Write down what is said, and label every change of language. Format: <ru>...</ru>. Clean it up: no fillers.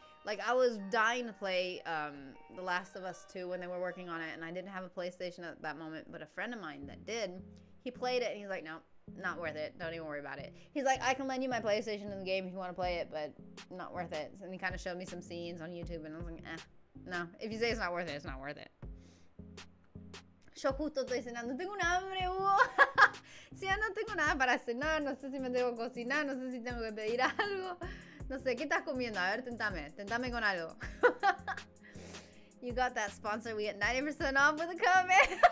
<en>Like, I was dying to play The Last of Us 2 when they were working on it, and I didn't have a PlayStation at that moment, but a friend of mine that did, he played it, and he's like, no, not worth it. Don't even worry about it. He's like, I can lend you my PlayStation in the game if you want to play it, but not worth it. And he kind of showed me some scenes on YouTube, and I was like, eh, no. If you say it's not worth it, it's not worth it.</en> <es>Yo justo estoy cenando. Tengo un hambre, Hugo. Si ya no tengo nada para cenar, no sé si me tengo que cocinar, no sé si tengo que pedir algo. No sé, ¿qué estás comiendo? A ver, tentame con algo.</es> <en>You got that sponsor, we get 90% off with a comment.</en>